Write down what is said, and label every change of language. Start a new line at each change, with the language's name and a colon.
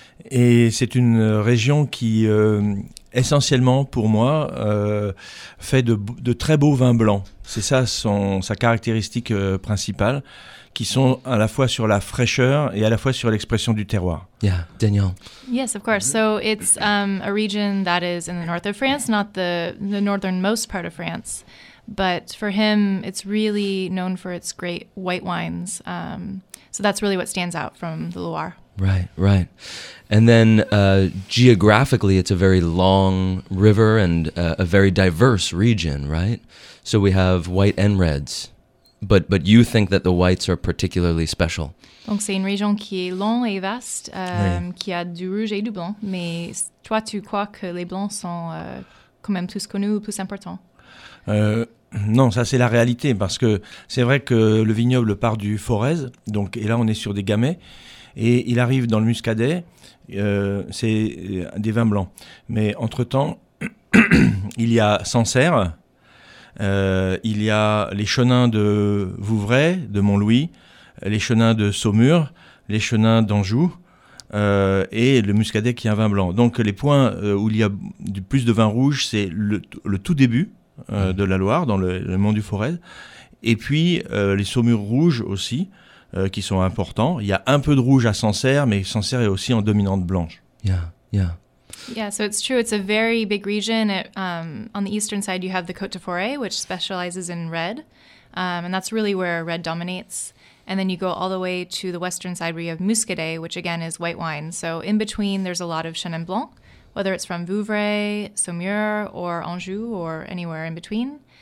French: Et c'est une région qui, essentiellement pour moi, fait de très beaux vins blancs. C'est ça sa caractéristique principale, qui sont à la fois sur la fraîcheur et à la fois sur l'expression du terroir.
English: Yeah, Danielle. Yes, of course. So it's a region that is in the north of France, not the northernmost part of France. But for him, it's really known for its great white wines. So that's really what stands out from the Loire. Right. And then geographically, it's a very long river and a very diverse region, right? So we have white and reds. But you think that the whites are particularly special.
French: Donc c'est une région qui est longue et vaste, qui a du rouge et du blanc. Mais toi, tu crois que les blancs sont quand même plus connus, plus importants? Non, ça c'est la réalité, parce que c'est vrai que le vignoble part du Forez, donc, et là on est sur des gamets, et il arrive dans le Muscadet, c'est des vins blancs. Mais entre-temps, il y a Sancerre, il y a les Chenins de Vouvray, de Mont-Louis, les Chenins de Saumur, les Chenins d'Anjou, et le Muscadet qui est un vin blanc. Donc les points où il y a plus de vin rouge, c'est le tout début, de la Loire, dans le mont du Forez. Et puis, les saumures rouges aussi, qui sont importants. Il y a un peu de rouge à Sancerre, mais Sancerre est aussi en dominante blanche.
English: Yeah, so it's true. It's a very big region. On the eastern side, you have the Côte de Forêt, which specializes in red. And that's really where red dominates. And then you go all the way to the western side, where you have Muscadet, which again is white wine. So in between, there's a lot of Chenin Blanc, whether it's from Vouvray, Saumur, or Anjou, or anywhere in between.